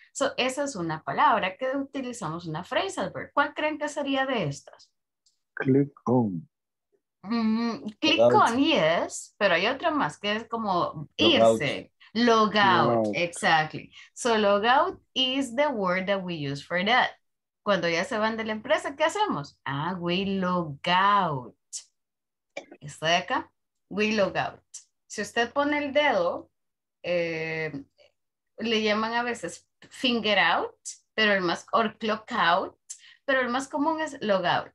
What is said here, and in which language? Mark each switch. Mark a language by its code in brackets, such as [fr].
[es] So, esa es una palabra que utilizamos, una phrasal verb. ¿Cuál creen que sería de estas? [en] Click on. Mm, click log on, out. Yes. [es] Pero hay otra más que es como irse. [en] Log out. Log out. Exactly. So, log out is the word that we use for that. [es] Cuando ya se van de la empresa, ¿qué hacemos? Ah, [en] we log out. [es] ¿Está de acá? [en] We log out. [es] Si usted pone el dedo, le llaman a veces finger out, pero el más, or clock out, pero el más común es log out.